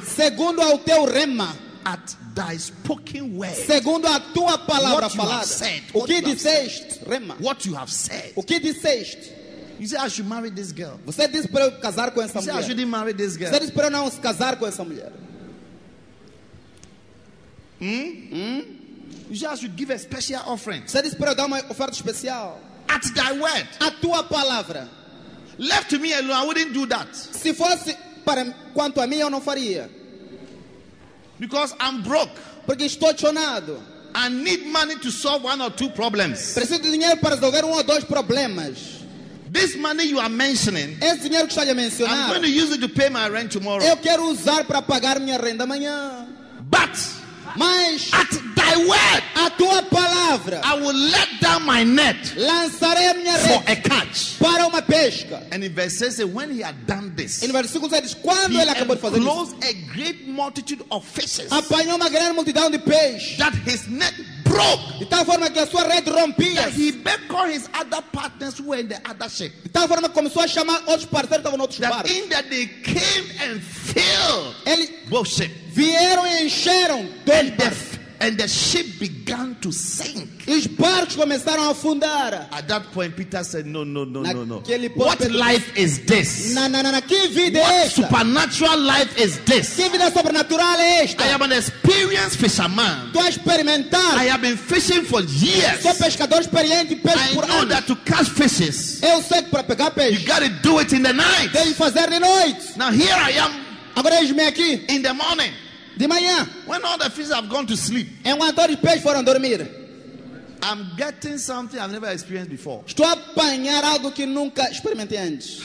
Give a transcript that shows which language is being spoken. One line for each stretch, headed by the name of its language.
Portuguese: segundo ao teu rema,
English: at thy spoken word,
Portuguese: segundo a tua palavra falada,
English: said,
Portuguese: o que disseste, rema,
English: what you have said,
Portuguese: o que disseste.
English: You say, I should marry this girl.
Portuguese: Você disse para eu casar com essa mulher.
English: I should marry this girl.
Portuguese: Você disse para eu não casar com essa mulher.
English: You say, I should give a special offering.
Portuguese: Você disse para eu dar uma oferta especial.
English: At thy word,
Portuguese: a tua palavra.
English: Left to me alone, I wouldn't do that.
Portuguese: Se fosse para quanto a mim, eu não faria.
English: Because I'm broke.
Portuguese: Porque estou chonado.
English: I need money to solve one or two problems.
Portuguese: Preciso de dinheiro para resolver um ou dois problemas.
English: This money you are mentioning.
Portuguese: Esse dinheiro que está a mencionar.
English: I'm going to use it to pay my rent tomorrow.
Portuguese: Eu quero usar para pagar minha renda amanhã.
English: But.
Portuguese: Mas.
English: At thy word.
Portuguese: A tua palavra.
English: I will let down my net.
Portuguese: Lançarei a minha rede.
English: For a catch.
Portuguese: Para uma pesca.
English: And in verse 6, when he had done this.
Portuguese: Em versículo 6, quando ele acabou de fazer isso.
English: He enclosed a great multitude of fishes.
Portuguese: Apanhou uma grande multidão de peixes.
English: That his net broke.
Portuguese: De tal forma que a sua rede rompia.
English: That he beckoned his other partners who were in the other ship.
Portuguese: De tal forma começou a chamar outros parceiros que estavam no outro barco.
English: That in that they came and filled
Portuguese: ele...
English: both ships.
Portuguese: Vieram e encheram dois barcos.
English: And the ship began to sink.
Portuguese: Os barcos começaram a afundar.
English: At that point, Peter said, "No, no, no, no, no.
Portuguese: Naquele ponto,
English: what life is this?
Portuguese: Na, que vida
English: what
Portuguese: é esta?
English: Supernatural life is this?
Portuguese: Que vida sobrenatural é esta?
English: I am an experienced fisherman.
Portuguese: Tô a experimentar.
English: I have been fishing for years.
Portuguese: Sou pescador experiente, pesco por anos.
English: I know that to catch fishes.
Portuguese: Eu sei que para pegar peixe.
English: You got to do it in the night.
Portuguese: Tem que fazer de noite.
English: Now here I am.
Portuguese: Agora eis-me aqui.
English: In the morning.
Portuguese: De manhã,
English: when all the fish have gone to sleep,
Portuguese: enquanto todos os peixes foram dormir,
English: I'm getting something I've never experienced before.
Portuguese: Estou a apanhar algo que nunca experimentei antes.